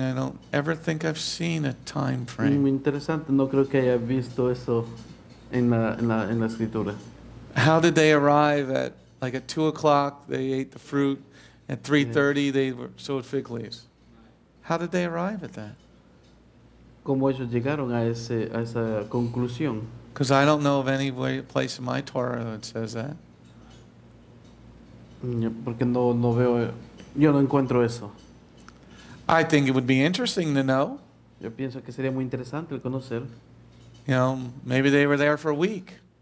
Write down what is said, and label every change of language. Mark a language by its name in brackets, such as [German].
[English] I don't ever think I've seen a time frame. [Spanish] Muy interesante. No creo que haya visto eso en la escritura. [English] How did they arrive at, like, at 2 o'clock? They ate the fruit. At 3:30, they were sowed fig leaves. How did they arrive at that? [Spanish] ¿Cómo ellos llegaron a esa conclusión? [English] Because I don't know of any place in my Torah that says that. [Spanish] Porque no veo, yo no encuentro eso. [English] I think it would be interesting to know. [Spanish] Yo pienso que sería muy interesante el conocer. [English] You know, maybe they were there for a week.